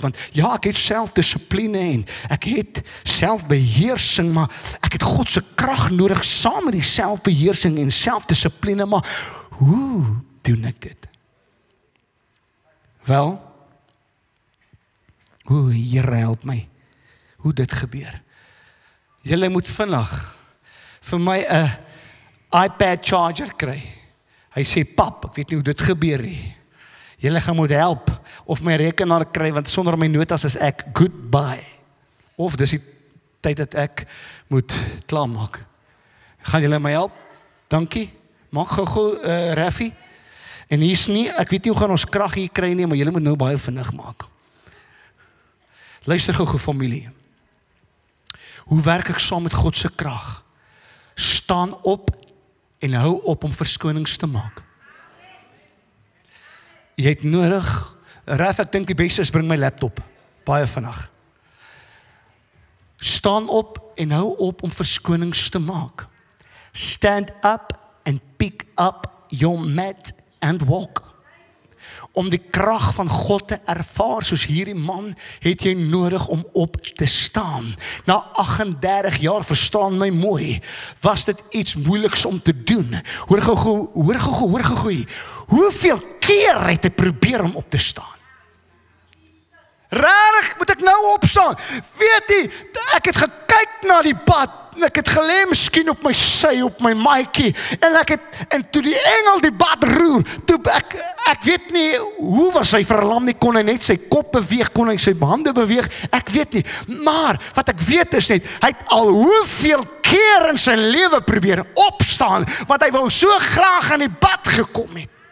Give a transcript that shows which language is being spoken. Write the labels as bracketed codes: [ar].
[af] Want ja, ek het self discipline en ek het self beheersing, maar ek het Godse krag nodig saam met die self beheersing en self discipline, maar hoe doen ek dit? Wel, hoe Here help my, hoe dit gebeur. Julle moet vinnig vir my een iPad charger kry. Hy sê, pap, ek weet nie hoe dit gebeur nie. Julle gaan moet help of my rekenaar kry, want sonder my notas is ek goodbye. Of dis die tyd dat ek moet klaarmaak. Gaan julle my help? Dankie. Maak gogo, Raffie. En hier is nie, ek weet nie hoe gaan ons krag hier kry nie, maar julle moet nou baie vinnig maak. Luister gogo, familie. Hoe werk ek saam met Godse krag? Staan op en hou op om verskonings te maak. Jy het nodig, Raf, ek dink die beste is, bring my laptop, baie vannacht. Staan op en hou op om verskonings te maak. [en] Stand up and pick up your mat and walk. [af] Om die krag van God te ervaar, soos hierdie man, het jy nodig om op te staan. Na 38 jaar, verstaan my mooi, was dit iets moeiliks om te doen. Hoor gogo, hoeveel keer het hy probeer om op te staan? Rarig moet ek nou opstaan. Weet jy, ek het gekyk na die pad, en ek het gelee miskien op my sy, op my maaikie, en ek het, en toe die engel die bad roer, toe ek weet nie, hoe was hy verlam nie, kon hy net sy kop beweeg, kon hy sy handen beweeg, ek weet nie, maar, wat ek weet is net, hy het al hoeveel keer in sy leven probeer opstaan, want hy wou so graag in die bad gekom het.